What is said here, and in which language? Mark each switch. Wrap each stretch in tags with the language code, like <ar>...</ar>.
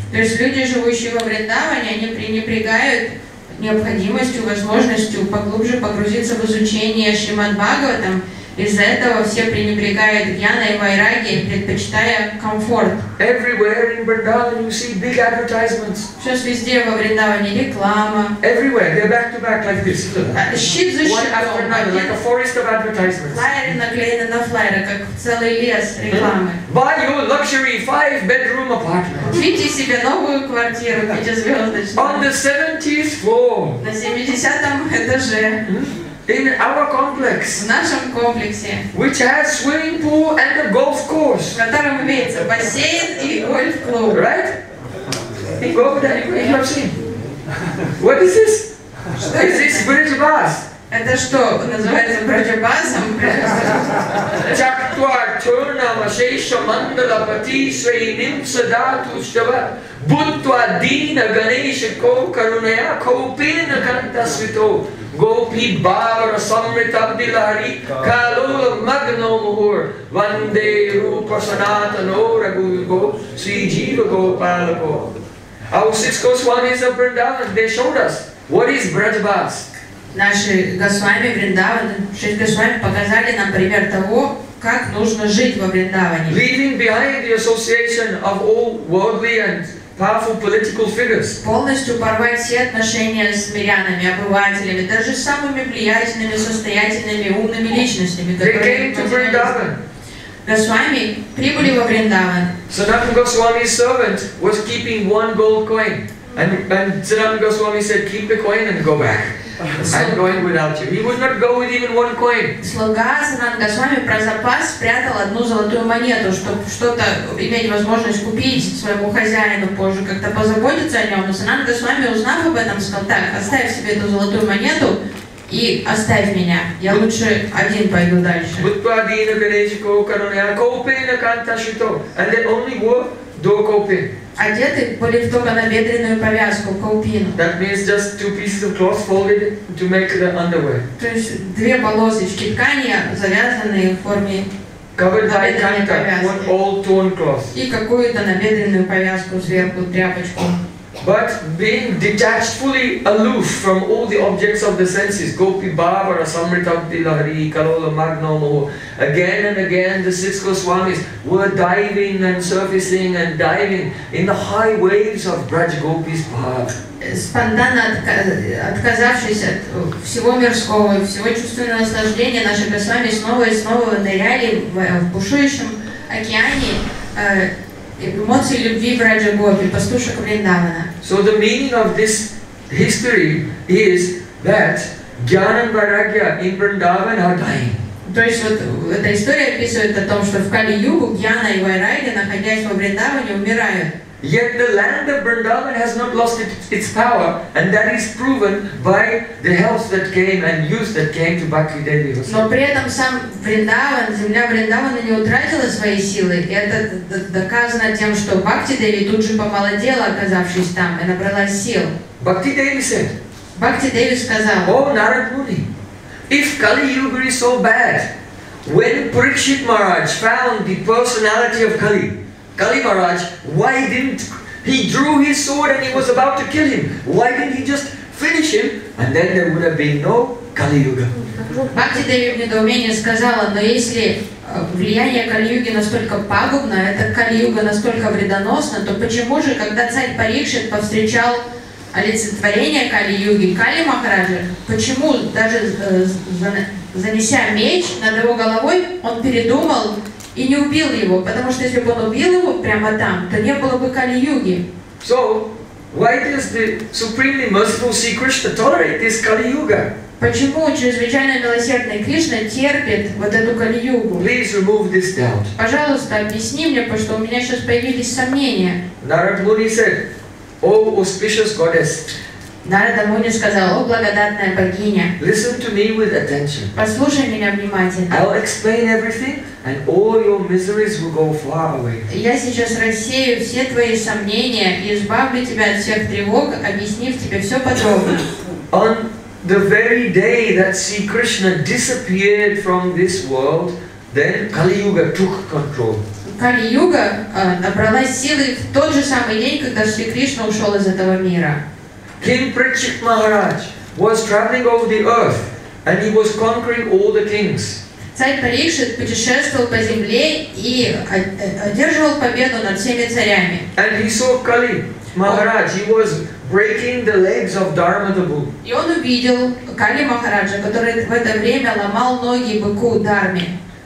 <ru>То есть люди, живущие во Вриндаване, они пренебрегают необходимостью, возможностью поглубже погрузиться в изучение Шримад Бхагаватам. Из-за этого все пренебрегают Гьяной и Вайраги, предпочитая комфорт.</ru> <en>Everywhere in Vrindavan you see big advertisements.</en> <ru>Сейчас везде во Вриндаване реклама.</ru> <en>Everywhere, they're back to back like this.</en> <ru>Щит за щитом.</ru> <en>One after another, like a forest of advertisements.</en> <ru>Флайеры наклеены на флайеры, как целый лес рекламы.</ru> <en>Buy your luxury 5-bedroom apartment.</en> <ru>Купите себе новую квартиру, 5-звездочную.</ru> <en>On the 70th floor.</en> <ru>На 70-м этаже.</ru> <en>In our complex,</en> <ru>в нашем комплексе,</ru> <en>which has swimming pool and a golf course,</en> <ru>в котором имеется бассейн и гольф-клуб,</ru> <en>right? Go there. What is this? Is this bridge bus?</en> <ru>Это что, называется братья-басом?</ru> <sa>Чактуа чурна машейша мандала пати свейним садату шчава Буттва дина ганейша кол каруная кол пина канта свято Гопи бавра самрита билари калула магно мухур Ванде рупа саната нора гуйго Си джива гопалако</sa> <en>Our six Goswamis of Vrindavan, they showed us what is Brajabas.</en> <ru>Наши Госвами Вриндаваны, шесть Госвами показали нам пример того, как нужно жить во Вриндаване.</ru> <en>Leaving behind the association of all worldly and powerful political figures.</en> <ru>Полностью порвать все отношения с мирянами, обывателями, даже самыми влиятельными, состоятельными, умными личностями.</ru> <en>They came to Vrindavan.</en> <ru>Госвами прибыли во Вриндаван.</ru> <en>Sanatana Goswami's servant was keeping one gold coin. And Sanatana Goswami said, keep the coin and go back. I'm going without you. He would not go with even one coin.</en> <ru>Слуга Сананда Госвами про запас спрятал одну золотую монету, чтобы что-то иметь возможность купить своему хозяину позже, как-то позаботиться о нем. Но Сананда Госвами, узнав об этом, сказал, так, оставь себе эту золотую монету и оставь меня. Я лучше один пойду дальше.</ru> <sa>Буттвадина ганейши кол каруная колпейна канта шито.</sa> <en>And they only wore до колпи.</en> <ru>Одеты были в только набедренную повязку, колпину.</ru> <en>That means just two pieces of cloth folded to make the underwear.</en> <ru>То есть две полосочки ткани, завязанные в форме</ru> <en>covered by canta, one old torn cloth.</en> <ru>И какую-то набедренную повязку сверху, тряпочку.</ru> <en>But being detached fully aloof from all the objects of the senses,</en> <sa>Gopi Bhavara Samritabdi Lahari Kalola Magna Moho,</sa> <en>again and again the six Goswamis were diving and surfacing and diving in the high waves of Braj Gopi's Bhav.</en> <ru>Спонтанно отказавшись от всего мирского и всего чувственного наслаждения, наши Госвами снова и снова ныряли в бушующем океане эмоции любви Браджа Гопи, пастушек Вриндавана.</ru> <en>So the meaning of this history is that Jnana and Vairagya in Vrindavan are dying.</en> <ru>То есть вот эта история описывает о том, что в Кали-югу Jnana и Vairagya, находясь во Вриндаване, умирают.</ru> <en>Yet the land of Vrindavan has not lost its power, and that is proven by the health that came and youth that came to Bhakti Devi.</en> <ru>Но при этом сам Вриндаван, земля Вриндавана не утратила свои силы. И это доказано тем, что Бхакти Деви тут же помолодела, оказавшись там, и набрала сил.</ru> <en>Bhakti Devi said.</en> <ru>Bhakti Devi сказал.</ru> <en>О, Narad Muni, if Kali Yuga is so bad, when Parikshit Maharaj found the personality of Kali. Kali Maharaj, why didn't he drew his sword and he was about to kill him? Why didn't he just finish him and then there would have been no Kali Yuga?</en> <ru>Бхакти Деви в недоумении сказала, но если влияние Кали-юги настолько пагубно, это Кали-юга настолько вредоносно, то почему же, когда царь Парикшит повстречал олицетворение Кали-юги, Кали Махараджа, почему даже занеся меч над его головой, он передумал и не убил его, потому что если бы он убил его прямо там, то не было бы Кали-юги.</ru> <en>So, why does the supremely merciful Sri Krishna tolerate this Kali-yuga?</en> <ru>Почему чрезвычайно милосердный Кришна терпит вот эту Кали-югу?</ru> <en>Please remove this doubt.</en> <ru>Пожалуйста, объясни мне, потому что у меня сейчас появились сомнения.</ru> <en>Narada Muni said, O auspicious goddess.</en> <ru>Narada Muni сказал, о благодатная богиня.</ru> <en>Listen to me with attention.</en> <ru>Послушай меня внимательно.</ru> <en>I'll explain everything. And all your miseries will go far away.</en> <ru>Я сейчас рассею все твои сомнения и избавлю тебя от всех тревог, объяснив тебе все подробно.</ru> <en>On the very day that Sri Krishna disappeared from this world, then Kali Yuga took control.</en> <ru>Kali Yuga набрала силы в тот же самый день, когда Sri Krishna ушел из этого мира.</ru> <en>King Prichit Maharaj was traveling over the earth, and he was conquering all the kings.</en> <ru>Царь Парикшит путешествовал по земле и одерживал победу над всеми царями.</ru> <en>And he saw Kali Maharaj. He was breaking the legs of Dharmadabhu.</en> <ru>И он увидел Кали Махараджа, который в это время ломал ноги быку Дарме.</ru>